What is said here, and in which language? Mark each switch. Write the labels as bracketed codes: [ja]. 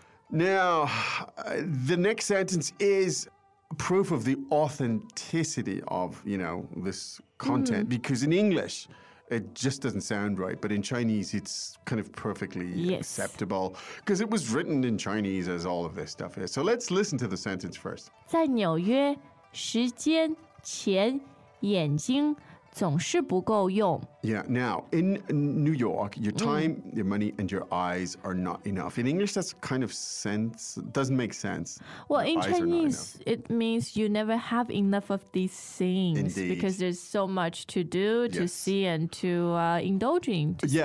[en] Now, the next sentence is proof of the authenticity of, you know, this content. Mm. Because in English... It just doesn't sound right, but in Chinese, it's kind of perfectly acceptable because it was written in Chinese as all of this stuff is. So let's listen to the sentence first. [zh] 在纽约，时间钱眼睛总是不够用。 [en] Yeah, now, in New York, your time, your money, and your eyes are not enough. In English, that's kind of sense, doesn't make sense. Well, in Chinese, it means you never have enough of these things. Indeed. Because there's so much to do, to see, and to indulge in.